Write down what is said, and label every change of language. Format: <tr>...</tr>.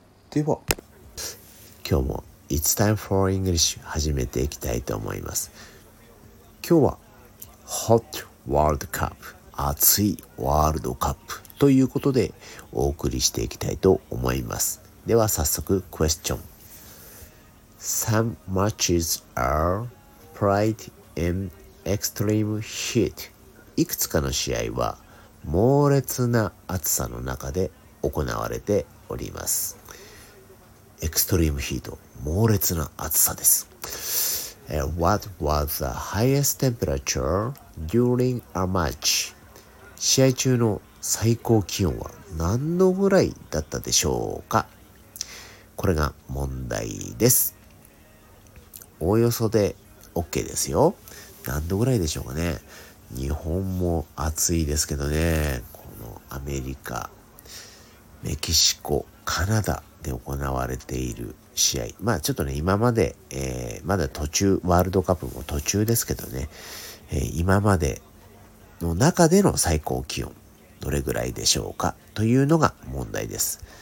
<ja>では今日も</ja> <en>It's time for English</en> <ja>始めていきたいと思います。今日は</ja> <en>Hot World Cup、</en> <ja>熱いワールドカップということでお送りしていきたいと思います。では早速クエスチョン。</ja> <en>Some matches are played in extreme heat。</en> <ja>いくつかの試合は猛烈な暑さの中で行われております。エクストリームヒート、猛烈な暑さです。</ja> <en>What was the highest temperature during a match?</en> <ja>試合中の最高気温は何度ぐらいだったでしょうか。これが問題です。おおよそで OK ですよ。何度ぐらいでしょうかね。日本も暑いですけどね、このアメリカ、メキシコ、カナダで行われている試合、まあちょっとね今まで、まだ途中、ワールドカップも途中ですけどね、今までの中での最高気温どれぐらいでしょうかというのが問題です。</ja>